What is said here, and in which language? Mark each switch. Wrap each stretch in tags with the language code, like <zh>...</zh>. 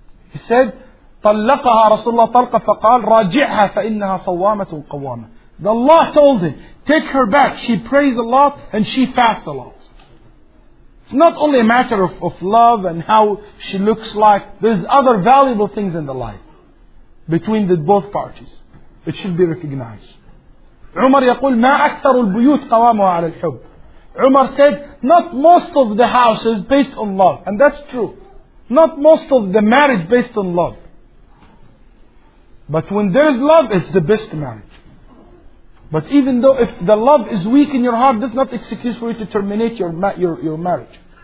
<en>He said,</en> <ar>طلقها رسول الله طلقة فقال راجعها فإنها صوامة قوامة.</ar> <en>Allah told him, take her back. She prays a lot and she fasts a lot. It's not only a matter of love and how she looks like. There's other valuable things in the life between the both parties. It should be recognized.</en> <ar>Umar يقول ما أكثر البيوت قوامها على الحب.</ar> <en>Umar said, not most of the houses based on love. And that's true. Not most of the marriage based on love. But when there is love, it's the best marriage. But even though if the love is weak in your heart, that's not excuse for you to terminate your marriage.</en>